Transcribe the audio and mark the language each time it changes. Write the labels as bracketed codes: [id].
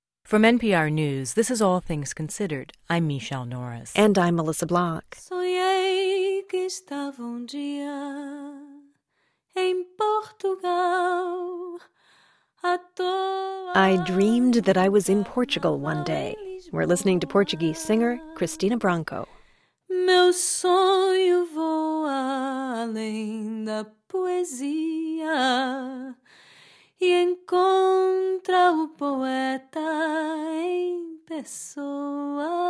[en] From NPR News, this is All Things Considered. I'm Michelle Norris. And I'm Melissa Block. [pt] Sonhei que estava dia em Portugal. [en] I dreamed that I was in Portugal one day. We're listening to Portuguese singer Cristina Branco. [pt] Meu sonho voa além da poesia e encontra o poeta em pessoa.